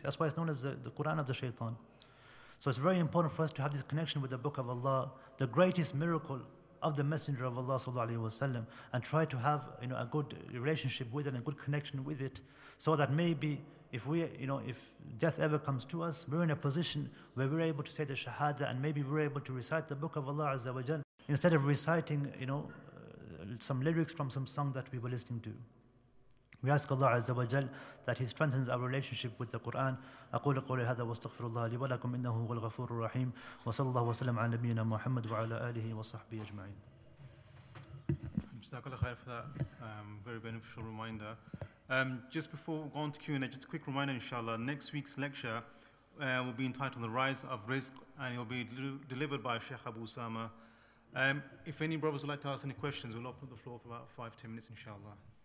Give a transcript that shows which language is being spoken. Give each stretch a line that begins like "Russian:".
English: That's why it's known as the Quran of the shaitan. So it's very important for us to have this connection with the Book of Allah, the greatest miracle of the Messenger of Allah sallallahu alaihi wasallam, and try to have, you know, a good relationship with it, a good connection with it, so that maybe if we, you know, if death ever comes to us, we're in a position where we're able to say the shahada, and maybe we're able to recite the Book of Allah azza wa jal, instead of reciting, you know, some lyrics from some song that we were listening to. We ask Allah azza wa jal that he strengthens our relationship with the Quran.
Arabic: أقول قولي هذا واستغفر الله لي ولكم إنه هو الغفور الرحيم وصلى الله وسلم على نبينا محمد وعلى آله وصحبه أجمعين.
English: JazakAllah khair for that very beneficial reminder. Just before we go on to Q&A, just a quick reminder, inshallah, next week's lecture will be entitled The Rise of Rizq, and it will be delivered by Sheikh Abu Usama. If any brothers would like to ask any questions, we'll open the floor for about 5-10 minutes, inshallah.